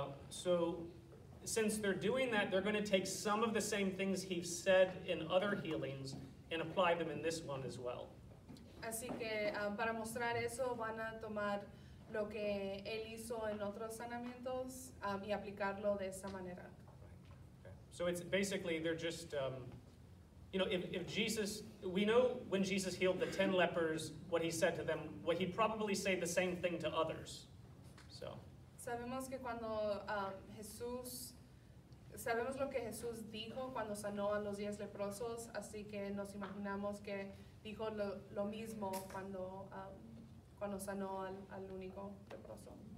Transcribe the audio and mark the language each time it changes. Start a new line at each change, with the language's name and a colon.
English: So since they're doing that, they're going to take some of the same things he's said in other healings and apply them in this one as well.
Spanish: Así que para mostrar eso van a tomar lo que él hizo en otros sanamientos y aplicarlo de esa manera.
English: So it's basically, they're just, you know, if Jesus, we know when Jesus healed the 10 lepers, what he said to them, what he'd probably say the same thing to others, so.
Spanish: Sabemos que cuando Jesús, sabemos lo que Jesús dijo cuando sanó a los 10 leprosos, así que nos imaginamos que dijo lo mismo cuando, cuando sanó al único leproso.